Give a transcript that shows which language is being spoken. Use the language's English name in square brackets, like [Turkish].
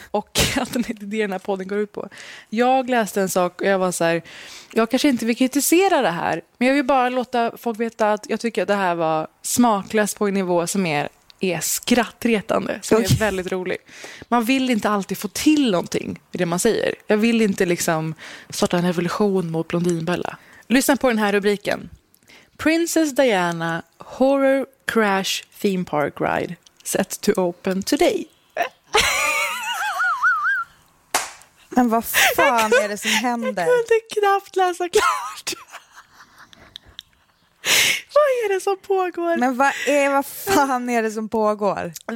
[Swedish] Och att det är det den här podden går ut på. Jag läste en sak och jag var så här, jag kanske inte vill kritisera det här, men jag vill bara låta folk veta att jag tycker att det här var smaklöst på en nivå som är skrattretande, som är väldigt rolig. Man vill inte alltid få till någonting i det man säger. Jag vill inte liksom starta en revolution mot Blondinbella. Lyssna på den här rubriken. [English] Princess Diana Horror Crash Theme Park Ride set to open today. [Swedish] Men vad fan är det som händer? Jag kunde knappt läsa klart. Vad är det som pågår? Men vad fan är det som pågår?